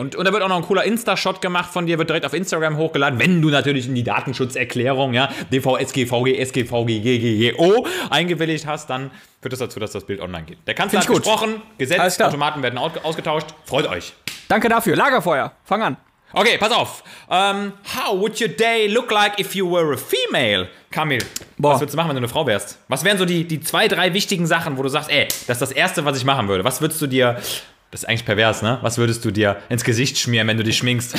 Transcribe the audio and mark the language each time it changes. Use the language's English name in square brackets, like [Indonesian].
[German] Und da wird auch noch ein cooler Insta-Shot gemacht von dir, wird direkt auf Instagram hochgeladen, wenn du natürlich in die Datenschutzerklärung, ja, DVSGVG, SGVGGGGO eingewilligt hast, dann führt das dazu, dass das Bild online geht. Der Kanzler hat gesprochen, Gesetz, Automaten werden ausgetauscht, freut euch. Danke dafür, Lagerfeuer, fang an. Okay, pass auf. [English] How would your day look like if you were a female, Kamil? [German] Boah. Was würdest du machen, wenn du eine Frau wärst? Was wären so die zwei, drei wichtigen Sachen, wo du sagst, ey, das ist das Erste, was ich machen würde? Was würdest du dir... Das ist eigentlich pervers, ne? Was würdest du dir ins Gesicht schmieren, wenn du dich schminkst?